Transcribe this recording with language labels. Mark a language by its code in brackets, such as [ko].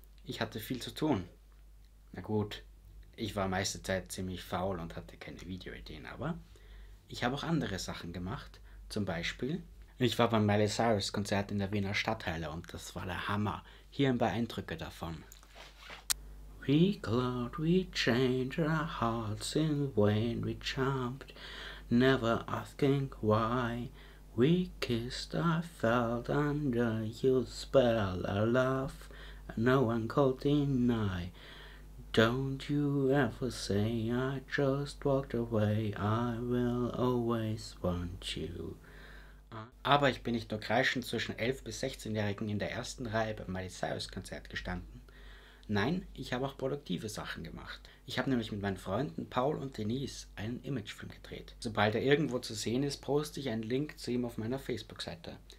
[de] Ich hatte viel zu tun. Na gut, ich war meiste Zeit ziemlich faul und hatte keine Videoideen, aber ich habe auch andere Sachen gemacht. Zum Beispiel, ich war beim Miley Cyrus Konzert in der Wiener Stadthalle und das war der Hammer. Hier ein paar Eindrücke davon. [en] We glowed, we changed our hearts in when we jumped, never asking why. We kissed, I felt under your spell, a love no one could deny. Don't you ever say I just walked away, I will always want you. [de] Aber ich bin nicht nur kreischend zwischen 11- bis 16-Jährigen in der ersten Reihe beim Miley Cyrus Konzert gestanden. Nein, ich habe auch produktive Sachen gemacht. Ich habe nämlich mit meinen Freunden Paul und Denise einen Imagefilm gedreht. Sobald er irgendwo zu sehen ist, poste ich einen Link zu ihm auf meiner Facebook-Seite.